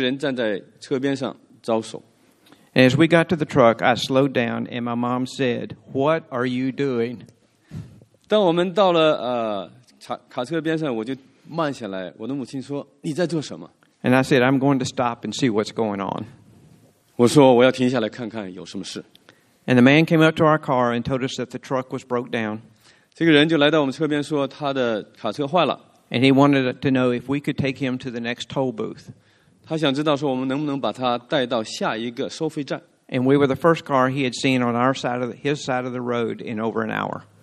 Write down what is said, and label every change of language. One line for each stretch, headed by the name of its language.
Chinese: 当我接近的车的时候，我发现这是一个租的一个卡车，而且这个人站在车边上招手。
English: And as we got to the truck, I slowed down, and my mom said, "What are you doing?"
Chinese: 当我们到了卡车边上，我就慢下来。我的母亲说：“你在做什么？”
English: I said, "I'm going to stop and see what's going on."
Chinese: 我说：“我要停下来看看有什么事。”
English: the man came up to our car and told us that the truck was broke down.
Chinese: 这个人就来到我们车边说他的卡车坏了。
English: And he wanted to know if we could take him to the next toll booth.
Chinese: 他想知道说我们能不能把他带到下一个收费站。
English: And we were the first car he had seen on our side of his side of the road in over an hour.